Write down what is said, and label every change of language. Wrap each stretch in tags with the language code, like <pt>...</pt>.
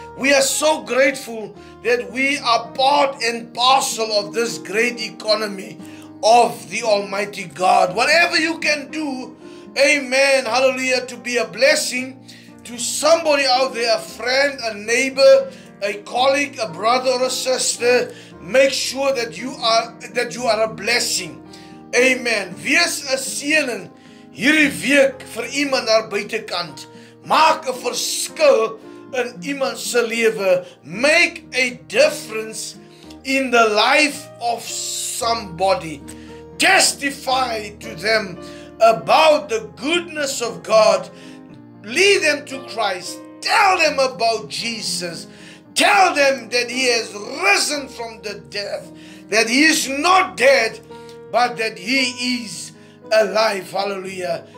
<en>We are so grateful that we are part and parcel of this great economy of the Almighty God. Whatever you can do, amen, hallelujah, to be a blessing to somebody out there, a friend, a neighbor, a colleague, a brother or a sister, make sure that you are a blessing. Amen.</en> <af>Wees 'n seëning hierdie week vir iemand daar buitekant. Maak 'n verskil in iemand se lewe.</af> <en>Make a difference in the life of somebody. Testify to them about the goodness of God. Lead them to Christ. Tell them about Jesus. Tell them that he has risen from the dead, that he is not dead, but that he is alive. Hallelujah.</en>